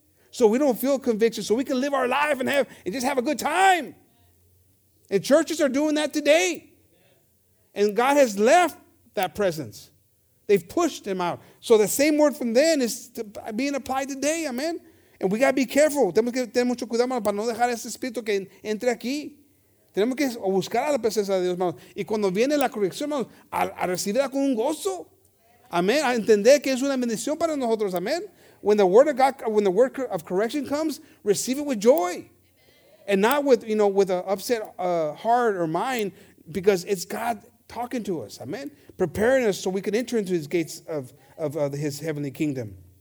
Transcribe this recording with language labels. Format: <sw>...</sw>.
<en>So we don't feel conviction, so we can live our life and just have a good time. And churches are doing that today. And God has left that presence. They've pushed him out. So the same word from then is to being applied today, amen? And we got to be careful.</en> <es>Tenemos que tener mucho cuidado, hermano, para no dejar ese espíritu que entre aquí. Tenemos que buscar a la presencia de Dios, hermano. Y cuando viene la corrección, hermano, a recibirla con un gozo. Amén. A entender que es una bendición para nosotros. Amén.</es> <en>When the word of God, when the word of correction comes, receive it with joy. Amen. And not with, you know, with an upset heart or mind, because it's God talking to us. Amén. Preparing us so we can enter into his gates of his heavenly kingdom.</en>